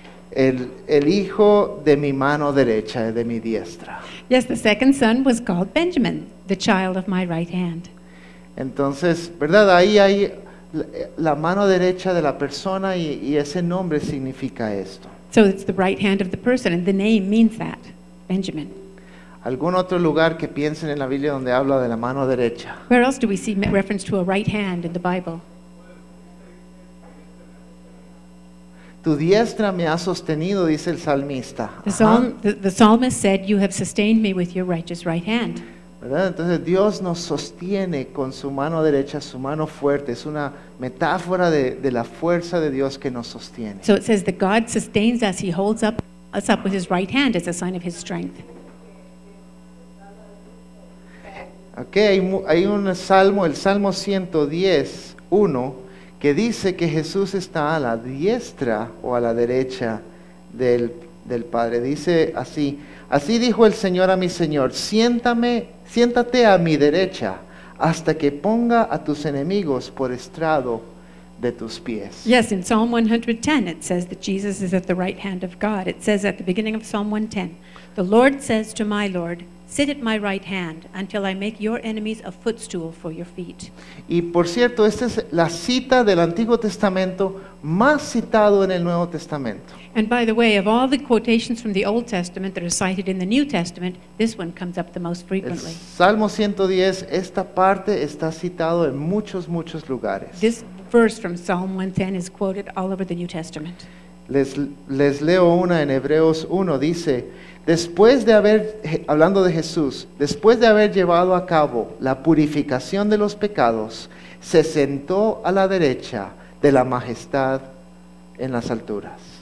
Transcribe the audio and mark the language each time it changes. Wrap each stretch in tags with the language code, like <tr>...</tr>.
<es>El hijo de mi mano derecha, de mi diestra.</es> <en>Yes, the second son was called Benjamin, the child of my right hand.</en> <es>Entonces, ¿verdad? Ahí hay la mano derecha de la persona y ese nombre significa esto.</es> <en>So it's the right hand of the person, and the name means that, Benjamin.</en> <es>¿Algún otro lugar que piensen en la Biblia donde habla de la mano derecha?</es> <en>Where else do we see reference to a right hand in the Bible?</en> <es>Tu diestra me ha sostenido, dice el salmista.</es> <en>The psalmist said, "You have sustained me with your righteous right hand."</en> <es>¿Verdad? Entonces Dios nos sostiene con su mano derecha, su mano fuerte. Es una metáfora de la fuerza de Dios que nos sostiene.</es> <en>So it says that God sustains us; He holds us up with His right hand as a sign of His strength.</en> <es>Okay, hay un salmo, el Salmo 110:1, que dice que Jesús está a la diestra o a la derecha del Padre. Dice así: "Así dijo el Señor a mi Señor: siéntate a mi derecha hasta que ponga a tus enemigos por estrado de tus pies."</es> <en>Yes, in Psalm 110 it says that Jesus is at the right hand of God. It says at the beginning of Psalm 110, "The Lord says to my Lord, sit at my right hand until I make your enemies a footstool for your feet."</en> <es>Y por cierto, esta es la cita del Antiguo Testamento más citado en el Nuevo Testamento.</es> <en>And by the way, of all the quotations from the Old Testament that are cited in the New Testament, this one comes up the most frequently.</en> <es>El Salmo 110, esta parte está citado en muchos lugares.</es> <en>This verse from Psalm 110 is quoted all over the New Testament.</en> <es>Les leo una en Hebreos 1, dice: "Después de haber, hablando de Jesús, después de haber llevado a cabo la purificación de los pecados, se sentó a la derecha de la majestad en las alturas."</es>